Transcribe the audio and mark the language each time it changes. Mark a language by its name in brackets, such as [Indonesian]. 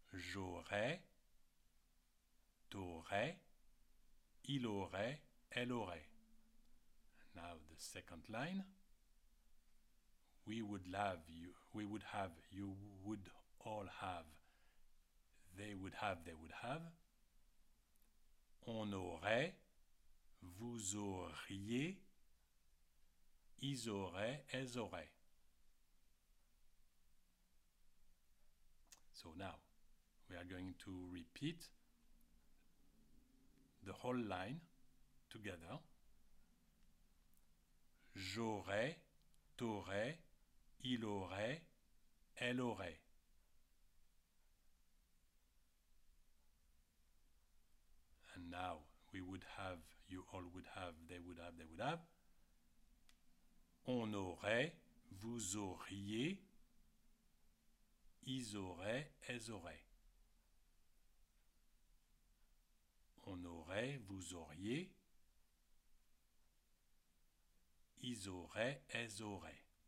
[French] J'aurais, t'aurais, il aurait, elle aurait. [English] Now the second line. We would have, you would all have, they would have, they would have. [French] On aurait, vous auriez, ils auraient, elles auraient. [English] So now, we are going to repeat the whole line together. [French] J'aurais, t'aurais, il aurait, elle aurait. [English] And now, we would have, you all would have, they would have, they would have. [French] On aurait, vous auriez, ils auraient, elles auraient. On aurait, vous auriez, ils auraient, elles auraient.